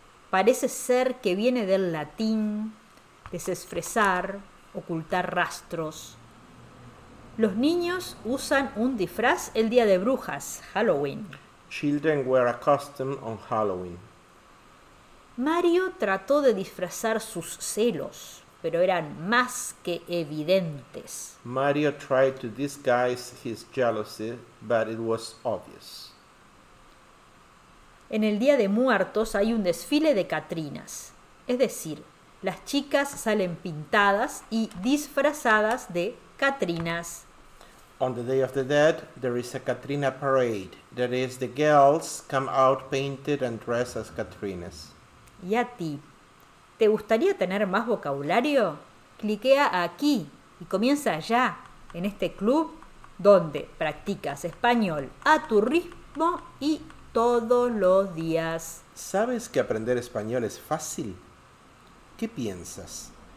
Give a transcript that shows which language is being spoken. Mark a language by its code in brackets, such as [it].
[es] Parece ser que viene del latín desfrazar, ocultar rastros. Los niños usan un disfraz el día de Brujas, Halloween. [en] Children wear a costume on Halloween. [es] Mario trató de disfrazar sus celos, pero eran más que evidentes. [en] Mario tried to disguise his jealousy, but it was obvious. [es] En el Día de Muertos hay un desfile de catrinas, es decir, las chicas salen pintadas y disfrazadas de catrinas. [en] On the Day of the Dead, there is a Katrina parade. That is, the girls come out painted and dressed as Katrinas. [es] ¿Y a ti? ¿Te gustaría tener más vocabulario? Cliquea aquí y comienza ya, en este club, donde practicas español a tu ritmo y todos los días. ¿Sabes que aprender español es fácil? ¿Qué piensas?